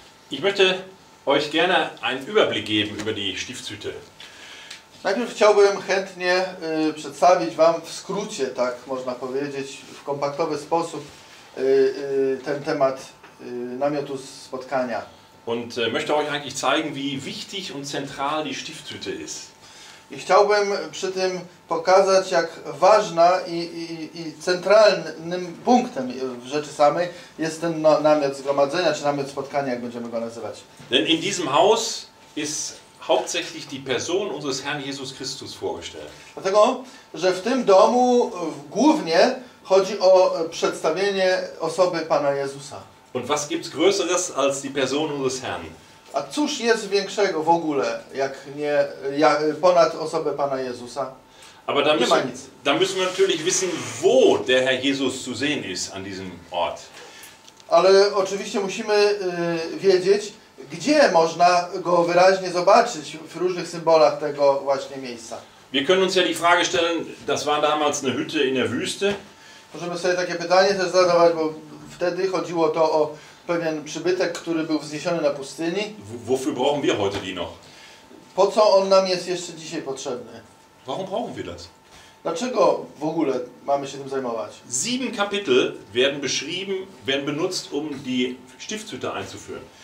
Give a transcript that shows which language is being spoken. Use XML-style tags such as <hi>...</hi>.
<de>Ich möchte euch gerne einen Überblick geben über die Stiftshütte.</de> <pl>Najpierw chciałbym chętnie przedstawić Wam w skrócie, tak można powiedzieć, w kompaktowy sposób ten temat namiotu spotkania.</pl> <de>Und möchte euch eigentlich zeigen, wie wichtig und zentral die Stiftshütte ist.</de> <pl>I chciałbym przy tym pokazać, jak ważna i centralnym punktem w rzeczy samej jest ten namiot zgromadzenia, czy namiot spotkania, jak będziemy go nazywać.</pl> <de>Denn in diesem Haus ist hauptsächlich die Person unseres Herrn Jesus Christus vorgestellt.</de> <pl>Dlatego, że w tym domu głównie chodzi o przedstawienie osoby Pana Jezusa.</pl> <de>Und was gibt's größeres als die Person unseres Herrn?</de> <pl>A cóż jest większego w ogóle, jak nie jak, ponad osobę Pana Jezusa?</pl> <de>Aber da müssen wir natürlich wissen, wo der Herr Jesus zu sehen ist an diesem Ort.</de> <pl>Ale oczywiście musimy wiedzieć, gdzie można go wyraźnie zobaczyć w różnych symbolach tego właśnie miejsca.</pl> <de>Wir können uns ja die Frage stellen, das war damals eine Hütte in der Wüste.</de> <pl>Możemy sobie takie pytanie też zadawać, bo wtedy chodziło to o pewien przybytek, który był wzniesiony na pustyni.</pl> <de>Wofür brauchen wir heute die noch?</de> <pl>Po co on nam jest jeszcze dzisiaj potrzebny?</pl> <de>Warum brauchen wir das?</de> <pl>Dlaczego w ogóle mamy się tym zajmować?</pl> <de>Sieben Kapitel werden beschrieben, werden benutzt, um die Stiftshütte einzuführen.</de>